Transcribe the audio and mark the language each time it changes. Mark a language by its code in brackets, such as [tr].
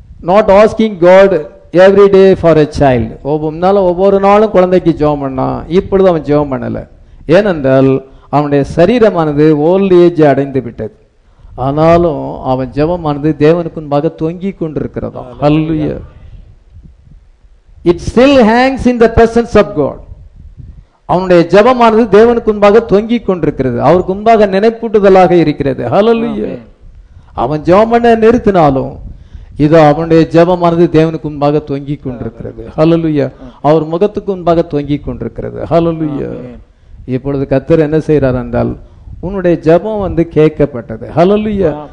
[en] Not asking God every day for a child. [ta] ஒவ்வொரு நாளும் குழந்தைக்கு ஜெபம் பண்ணான். இப்பொழுது அவன் ஜெபம் பண்ணலை. ஏனென்றால் அவனுடைய சரீரமானது ஓல்டு ஏஜ் அடைந்து விட்டது. ஆனாலும் அவன் ஜெபமானது தேவனுக்கு முன்பாக தொங்கி கொண்டிருக்கிறதா. ஹல்லேலூயா. [en] It still hangs in the presence of God. [ta] அவனுடைய ஜெபமானது தேவனுக்கு முன்பாக தொங்கிக் கொண்டிருக்கிறது. அவருக்கு முன்பாக நினைப்பூட்டுதலாக இருக்கிறது. ஹல்லேலூயா. அவன் ஜெபம் பண்ண நிறுத்தினாலும் இதோ அவனுடைய ஜெபமானது தேவனுக்கு முன்பாக தொங்கிக் கொண்டிருக்கிறது. ஹல்லேலூயா. அவர் முகத்துக்கு முன்பாக தொங்கிக் கொண்டிருக்கிறது. ஹல்லேலூயா. இப்பொழுது கர்த்தர் என்ன செய்யறார் என்றால் உன்னுடைய ஜெபம் வந்து கேட்கப்பட்டது. ஹல்லேலூயா.